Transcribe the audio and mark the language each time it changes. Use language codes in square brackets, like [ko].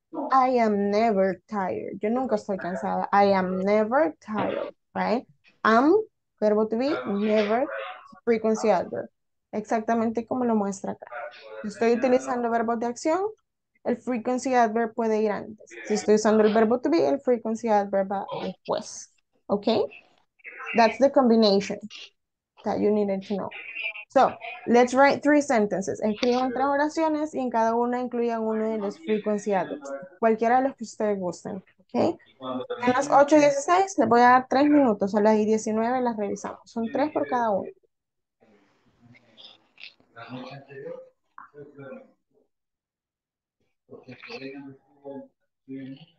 [en] I am never tired. [es] Yo nunca estoy cansada. [en] I am never tired, right? Am, verbo to be, never, frequency adverb. [es] Exactamente como lo muestra acá. Si estoy utilizando verbos de acción, el frequency adverb puede ir antes. Si estoy usando el verbo to be, el frequency adverb va después. ¿Ok? [en] That's the combination that you needed to know. So, let's write three sentences. [es] Escriban tres oraciones y en cada una incluyan uno de los frequency adverbs. Cualquiera de los que ustedes gusten. ¿Ok? En las 8 y 16 les voy a dar 3 minutos. A las 19 las revisamos. Son tres por cada uno. La noche anterior, porque todavía no estuvo bien.